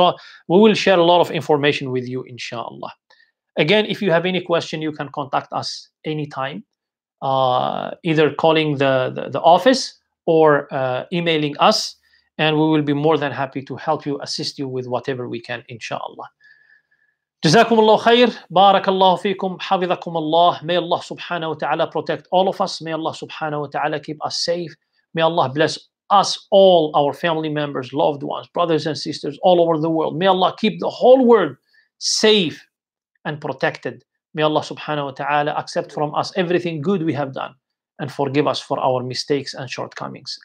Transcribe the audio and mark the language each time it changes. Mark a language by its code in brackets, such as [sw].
[en] So we will share a lot of information with you, inshallah. Again, if you have any question, you can contact us anytime, either calling the office or emailing us, and we will be more than happy to help you, assist you with whatever we can, inshallah. [ar] جزاكم الله خير بارك الله فيكم حفظكم الله. [en] May Allah subhanahu wa ta'ala protect all of us. May Allah subhanahu wa ta'ala keep us safe. May Allah bless us, all our family members, loved ones, brothers and sisters all over the world. May Allah keep the whole world safe and protected. May Allah subhanahu wa ta'ala accept from us everything good we have done and forgive us for our mistakes and shortcomings.